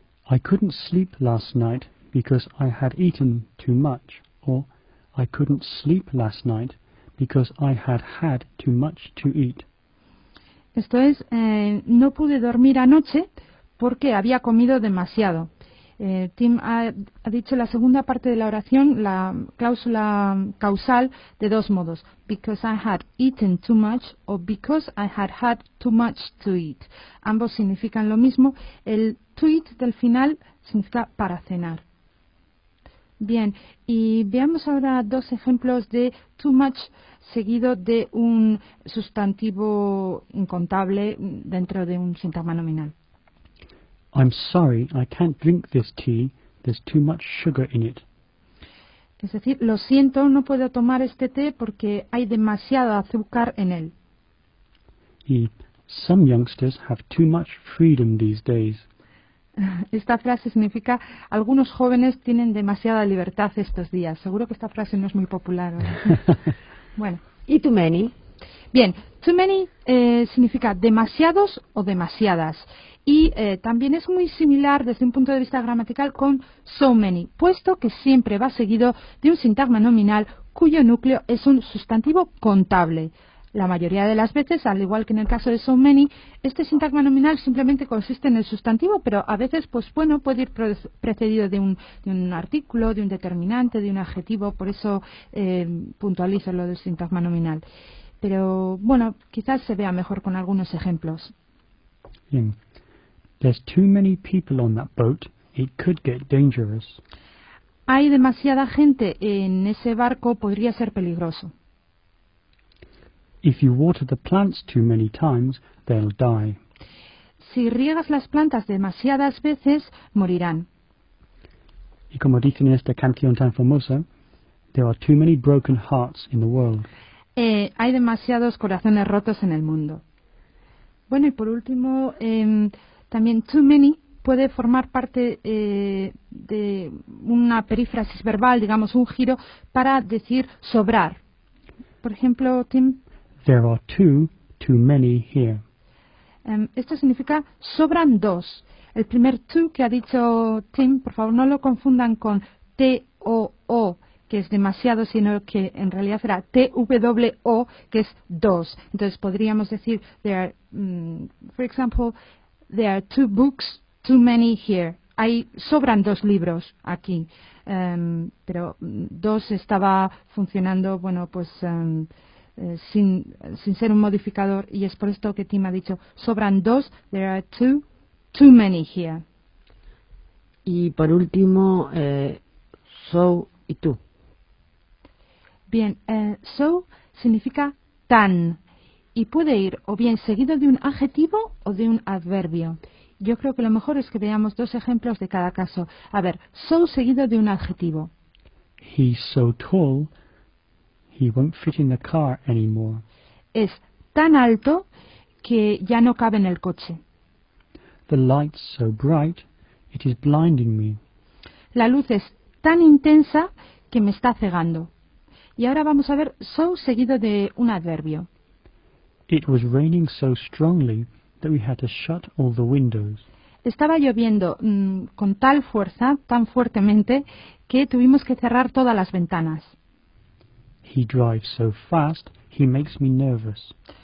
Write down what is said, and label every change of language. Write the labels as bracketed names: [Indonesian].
[English] I couldn't sleep last night because I had eaten too much. Or I couldn't sleep last night because I had had too much to eat. [Spanish] Esto es, no pude dormir anoche porque había comido demasiado. Tim ha dicho la segunda parte de la oración, la cláusula causal, de dos modos. [English] Because I had eaten too much o because I had had too much to eat. [Spanish] Ambos significan lo mismo. El to eat del final significa para cenar. Bien, y veamos ahora dos ejemplos de too much seguido de un sustantivo incontable dentro de un sintagma nominal. [English] I'm sorry, I can't drink this tea. There's too much sugar in it. [Spanish] Es decir, lo siento, no puedo tomar este té porque hay demasiado azúcar en él. [English] Y some youngsters have too much freedom these days. [Spanish] Esta frase significa, algunos jóvenes tienen demasiada libertad estos días. Seguro que esta frase no es muy popular. Bueno. ¿Y too many? Bien, too many significa demasiados o demasiadas. Y también es muy similar desde un punto de vista gramatical con so many, puesto que siempre va seguido de un sintagma nominal cuyo núcleo es un sustantivo contable. La mayoría de las veces, al igual que en el caso de so many, este sintagma nominal simplemente consiste en el sustantivo, pero a veces pues bueno, puede ir precedido de un artículo, de un determinante, de un adjetivo, por eso puntualizo lo del sintagma nominal. Pero bueno, quizás se vea mejor con algunos ejemplos. Bien. [English] There's too many people on that boat. It could get dangerous. [Spanish] Hay demasiada gente en ese barco, podría ser peligroso. [English] If you water the plants too many times, they'll die. [Spanish] Si riegas las plantas demasiadas veces, morirán. Y como dicen en esta canción tan famosa, [English] there are too many broken hearts in the world. [Spanish] Hay demasiados corazones rotos en el mundo. Bueno, y por último, también too many puede formar parte de una perífrasis verbal, digamos, un giro, para decir sobrar. Por ejemplo, Tim... [English] There are two too many here. [Spanish] Esto significa sobran dos. El primer two que ha dicho Tim, por favor no lo confundan con T-O-O, que es demasiado, sino que en realidad será T-W-O, que es dos. Entonces podríamos decir, [English] there are, for example, there are two books too many here. [Spanish] Ahí sobran dos libros aquí. Pero dos estaba funcionando, bueno, pues... Sin ser un modificador, y es por esto que Tim ha dicho, sobran dos, [English] there are two, too many here. [Spanish] Y por último, so y tú. Bien, so significa tan, y puede ir o bien seguido de un adjetivo o de un adverbio. Yo creo que lo mejor es que veamos dos ejemplos de cada caso. A ver, so seguido de un adjetivo. [English] He's so tall. He won't fit in the car anymore. [Spanish] Es tan alto que ya no cabe en el coche. [English] The light's so bright, it is blinding me. [Spanish] La luz es tan intensa que me está cegando. Y ahora vamos a ver so seguido de un adverbio. [English] It was raining so strongly that we had to shut all the windows. [Spanish] Estaba lloviendo con tal fuerza, tan fuertemente, que tuvimos que cerrar todas las ventanas. [English] He drives so fast, he makes me nervous.